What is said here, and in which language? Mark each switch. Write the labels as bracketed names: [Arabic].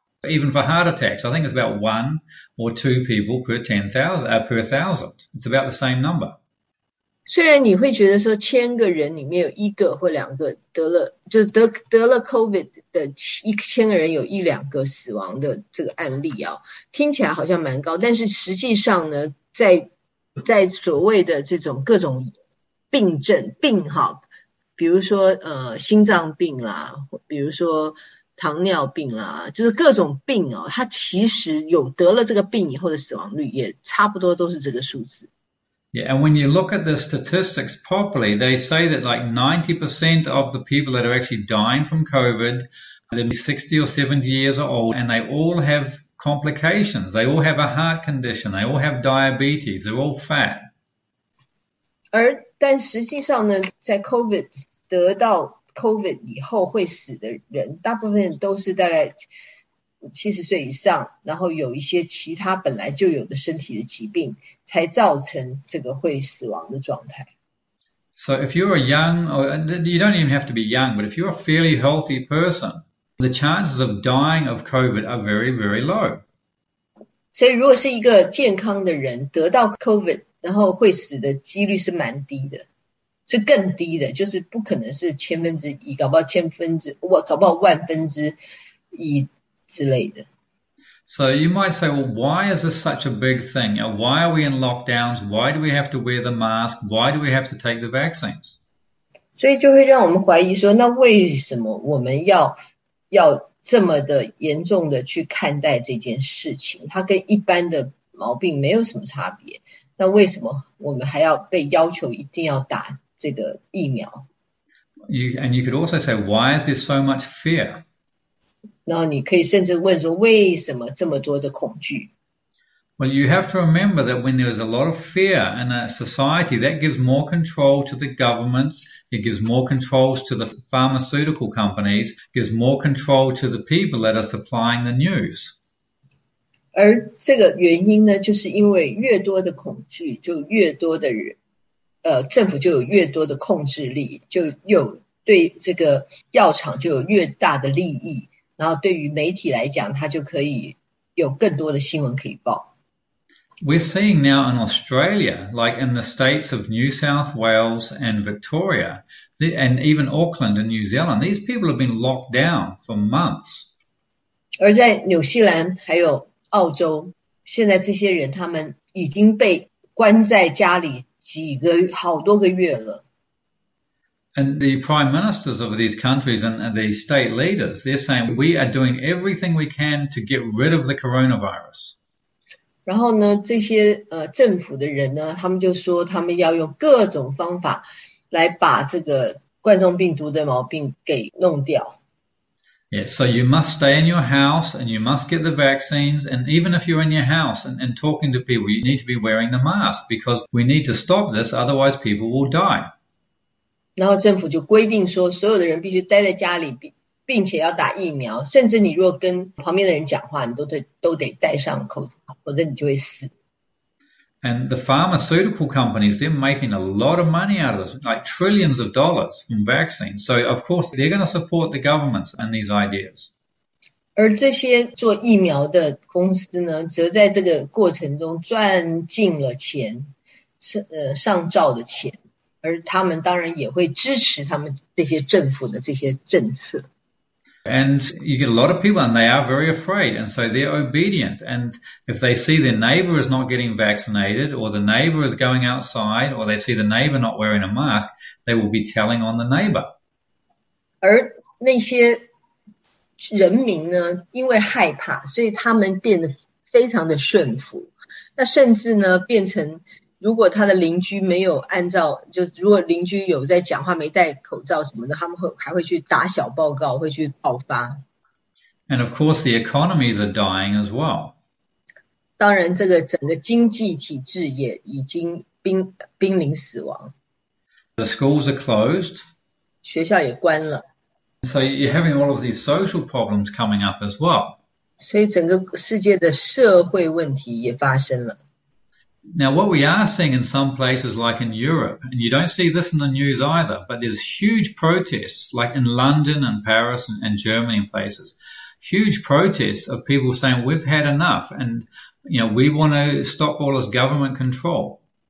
[English] Even for heart attacks, I think it's about one or two people per 10,000, per 1,000. It's about the same number. [Chinese] 虽然你会觉得说1000个人里面有一个或两个得了，就是得了 COVID 的1000个人有一两个死亡的这个案例啊，听起来好像蛮高，但是实际上呢，在所谓的这种各种病症病哈，比如说心脏病啦，比如说糖尿病啦，就是各种病哦，它其实有得了这个病以后的死亡率也差不多都是这个数字。 [English] Yeah, and when you look at the statistics properly, they say that like 90% of the people that are actually dying from COVID, they're 60 or 70 years old, and they all have complications. They all have a heart condition. They all have diabetes. They're all fat. [Chinese] 但实际上呢，在 COVID 得到 COVID 以后会死的人，大部分都是大概70岁以上，然后有一些其他本来就有的身体的疾病，才造成这个会死亡的状态。 [English] So if you're a young, or you don't even have to be young, but if you're a fairly healthy person, the chances of dying of COVID are very, very low. [Chinese] 所以，如果是一个健康的人得到 COVID。然后会死的几率是蛮低的，是更低的，就是不可能是1/1，搞不好搞不好1/1之类的。 [English] So you might say, well, why is this such a big thing? Why are we in lockdowns? Why do we have to wear the mask? Why do we have to take the vaccines? [Chinese] 所以就会让我们怀疑说，那为什么我们要这么的严重的去看待这件事情？它跟一般的毛病没有什么差别。那为什么我们还要被要求一定要打这个疫苗？ [English] And you could also say, why is there so much fear? [Chinese] 然后你可以甚至问说，为什么这么多的恐惧？ [English] Well, you have to remember that when there is a lot of fear in a society, that gives more control to the governments, it gives more controls to the pharmaceutical companies, gives more control to the people that are supplying the news. [Chinese] 而这个原因呢，就是因为越多的恐惧，就越多的人，政府就有越多的控制力，就有对这个药厂就有越大的利益，然后对于媒体来讲，它就可以有更多的新闻可以报。 [English] We're seeing now in Australia, like in the states of New South Wales and Victoria, and even Auckland in New Zealand, these people have been locked down for months. [Chinese] 而在纽西兰还有澳洲现在这些人，他们已经被关在家里几个好多个月了。 [English] And the prime ministers of these countries and the state leaders, they're saying we are doing everything we can to get rid of the coronavirus. [Chinese] 然后呢，这些政府的人呢，他们就说他们要用各种方法来把这个冠状病毒的毛病给弄掉。 [English] Yeah, so you must stay in your house and you must get the vaccines. And even if you're in your house and talking to people, you need to be wearing the mask because we need to stop this, otherwise people will die. [Chinese] 然后政府就规定说，所有的人必须待在家里，并且要打疫苗。甚至你如果跟旁边的人讲话，你都得戴上口罩，否则你就会死。 [English] And the pharmaceutical companies, they're making a lot of money out of this, like trillions of dollars from vaccines. So, of course, they're going to support the governments and these ideas. [Chinese] 而这些做疫苗的公司呢，则在这个过程中赚进了钱，上兆的钱。而他们当然也会支持他们这些政府的这些政策。 [English] And you get a lot of people, and they are very afraid, and so they're obedient. And if they see their neighbor is not getting vaccinated, or the neighbor is going outside, or they see the neighbor not wearing a mask, they will be telling on the neighbor. [Chinese] 而那些人民呢，因为害怕，所以他们变得非常的顺服。那甚至呢，变成如果他的邻居没有按照，就如果邻居有在讲话没戴口罩什么的，他们会还会去打小报告，会去爆发。 [English] And of course, the economies are dying as well. [Chinese] 当然，这个整个经济体制也已经濒临死亡， [English] The schools are closed. [Chinese] 学校也关了。 [English] So you're having all of these social problems coming up as well. [Chinese] 所以整个世界的社会问题也发生了。 [English] Now, what we are seeing in some places, like in Europe, and you don't see this in the news either, but there's huge protests, like in London and Paris and Germany and places. Huge protests of people saying we've had enough and we want to stop all this government control.